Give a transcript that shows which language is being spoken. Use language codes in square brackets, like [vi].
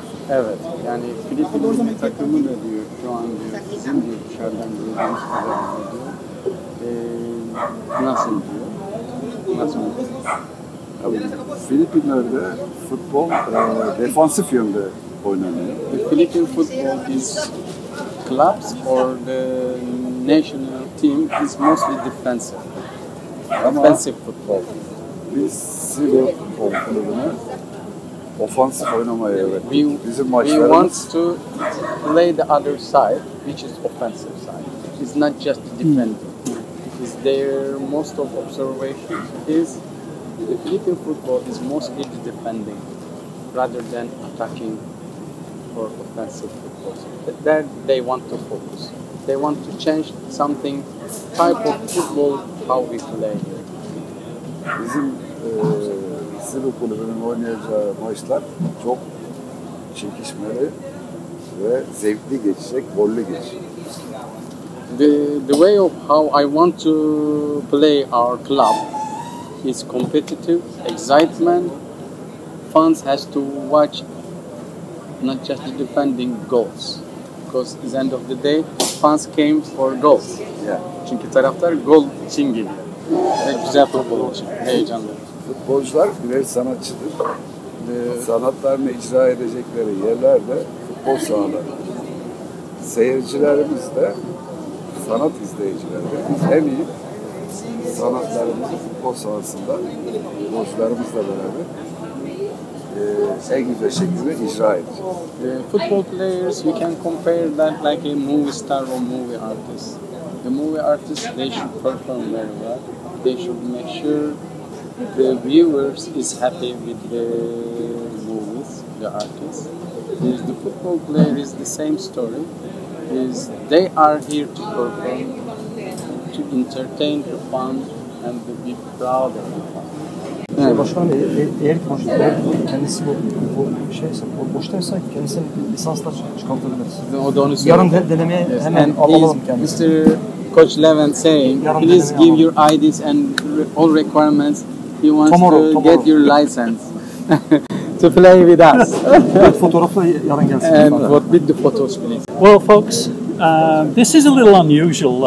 [tr] Evet, yani Filipinos takımı da diyor, şu an diyor, bizim diyor dışarıdan diyor, nasıl diyor, nasıl diyor? Filipinlerde futbol defansif yönde oynanıyor. [en] The Philippine football is clubs or the national team is mostly defensive. Defensive football. [tr] Biz Cebu kulübüne ofansif oynamayı öğretiyoruz. Bizim maçlarımız. [en] We want to play the other side, which is offensive side. It's not just defending. Is their most of observation is the Philippine football is mostly defending rather than attacking or offensive football. That they want to focus. They want to change something type of football how we play. [tr] Bizim Cebu kulübünün oynayacağı maçlar çok çekişmeli ve zevkli geçecek, gollü geçecek. [en] The way of how I want to play our club is competitive, excitement, fans has to watch not just the defending goals. Because at the end of the day, fans came for goals. Yeah. [tr] Çünkü taraftar gol için geliyor. Güzel futbol için, heyecanlı. Futbolcular birer sanatçıdır. sanatlarını icra edecekleri yerler de futbol sahaları. Seyircilerimiz de sanat izleyicileri de en iyi sanatlarımızı futbol sahasında borçlarımızla beraber en güzel şekilde icra edecek. [en] The football players, you can compare that like a movie star or movie artist. The movie artists, they should perform very well. They should make sure the viewers is happy with the movies, the artists. The football player is the same story. Is they are here to perform, to entertain the fans and to be proud of the fans. [tr] Şey başkan eğer kendisi bu şeyse boştaysa kendisine lisanslar çıkartabiliriz. Yarın denemeye hemen alalım kendisini. [en] Mr. Coach Levent saying, please give your IDs and all requirements. He wants to get your license to play with us. And what with the photos, please. Well, folks, this is a little unusual.